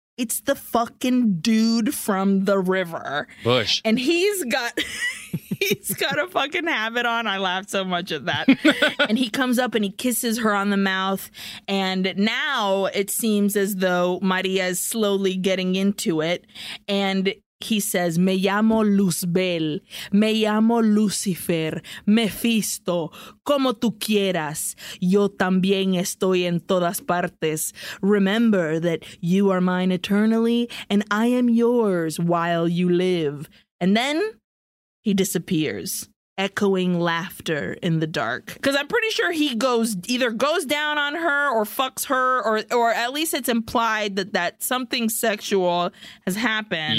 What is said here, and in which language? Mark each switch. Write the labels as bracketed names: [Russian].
[English] It's the fucking dude from the river. Bush. And he's got a fucking habit on. I laughed so much at that. And he comes up and he kisses her on the mouth. And now it seems as though Maria is slowly getting into it. And He says, [Spanish] me llamo Luzbel, me llamo Lucifer, Mephisto, como tú quieras. Yo también estoy en todas partes. [English] Remember that you are mine eternally and I am yours while you live. And then he disappears, echoing laughter in the dark. Because I'm pretty sure he goes down on her or fucks her, or at least it's implied that something sexual has happened.